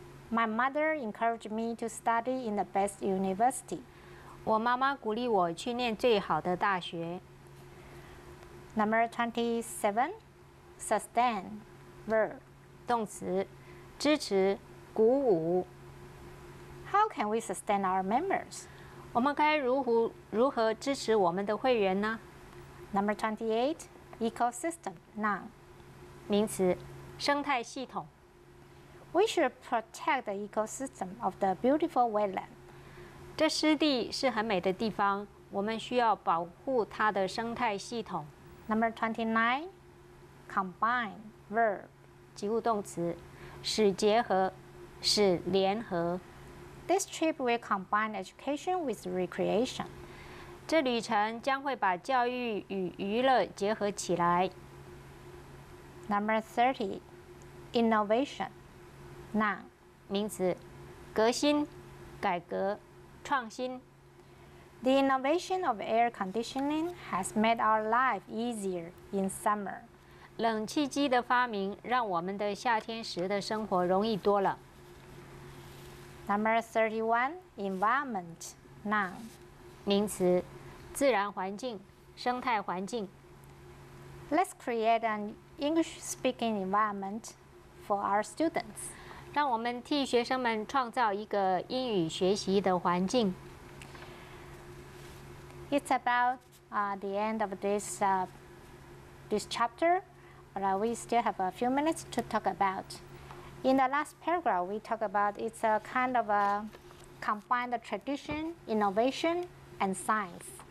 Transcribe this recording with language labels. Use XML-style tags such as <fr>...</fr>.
<en>My mother encouraged me to study in the best university.</en> <zh>我妈妈鼓励我去念最好的大学。</zh> <en>Number 27, sustain, verb,</en> <zh>动词，支持，鼓舞。</zh> <en>How can we sustain our members?</en> <zh>我们该如何支持我们的会员呢？</zh> <en>Number 28, ecosystem, noun,</en> <zh>名词，生态系统。</zh> <en>We should protect the ecosystem of the beautiful wetland.</en> <zh>这湿地是很美的地方，我们需要保护它的生态系统。</zh> <en>Number 29, combine, verb,</en> <zh>及物动词，使结合，使联合。</zh> <en>This trip will combine education with recreation.</en> <zh>这旅程将会把教育与娱乐结合起来。</zh> <en>Number 30, innovation, noun,</en> <zh>名词，革新，改革，创新。</zh> <en>The innovation of air conditioning has made our life easier in summer.</en> <zh>冷气机的发明让我们的夏天时的生活容易多了。</zh> <en>Number 31, environment, noun,</en> <zh>名词，自然环境，生态环境。</zh> <en>Let's create an English-speaking environment for our students.</en> <zh>让我们替学生们创造一个英语学习的环境。</zh> <en>It's about the end of this chapter, but we still have a few minutes to talk about. In the last paragraph, we talk about it's a kind of a combined tradition, innovation, and science.</en>